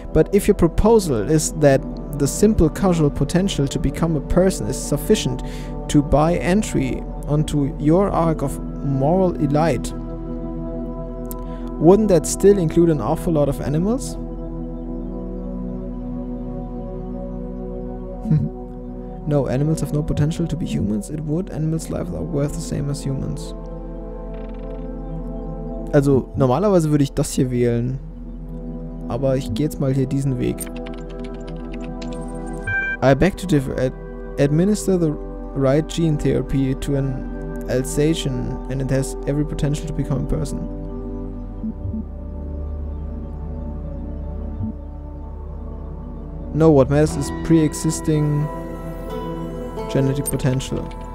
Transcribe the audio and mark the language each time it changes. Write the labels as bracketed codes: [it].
[en] But if your proposal is that the simple causal potential to become a person is sufficient to buy entry onto your arc of moral elite, wouldn't that still include an awful lot of animals? No, animals have no potential to be humans. It would. Animals' lives are worth the same as humans. [de] Also, normalerweise würde ich das hier wählen. Aber ich gehe jetzt mal hier diesen Weg. [en] I beg to differ. Administer the right gene therapy to an Alsatian and it has every potential to become a person. No, what matters is pre-existing genetic potential.